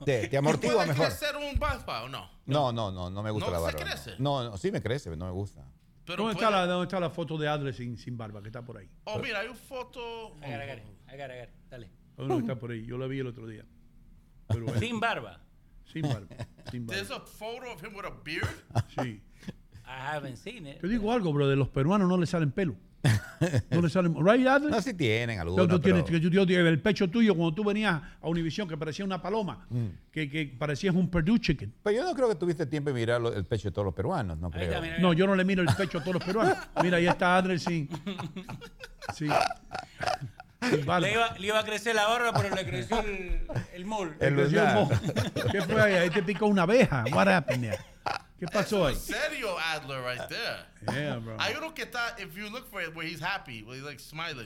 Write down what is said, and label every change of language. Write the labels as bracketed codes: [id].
[es] Te amortigua mejor. ¿Puede crecer un barba o no? No, me gusta no la barba. ¿No se crece? No, sí me crece, pero no me gusta. Pero ¿dónde, puede... está la, está la foto de Adler sin barba, que está por ahí? Oh, mira, hay una foto. Agarra, dale. Está por ahí, yo la vi el otro día. Pero bueno. Sin barba. Sin barba. [en] There's a photo of him with a beard? [es] Sí. [en] I haven't seen it. [es] Te digo algo, bro. De los peruanos no le salen pelo. No le salen... [en] ¿Right, [es] Adler? No, sí tienen algunos, pero... Tú tienes, el pecho tuyo, cuando tú venías a Univision, que parecía una paloma, que parecías un Purdue chicken. Pero yo no creo que tuviste tiempo de mirar el pecho de todos los peruanos, no creo. No, yo no le miro el pecho a todos los peruanos. Mira, ahí está Adler sin... Sí. Le iba a crecer la barba, pero le creció el mol. ¿Qué fue ahí? Ahí te picó una abeja. [en] What happened there? [es] ¿Qué pasó ahí? Es serio, Adler, [en] right there. Yeah, bro. [es] Hay uno que está, [en] if you look for it, where he's happy, where he's like smiling.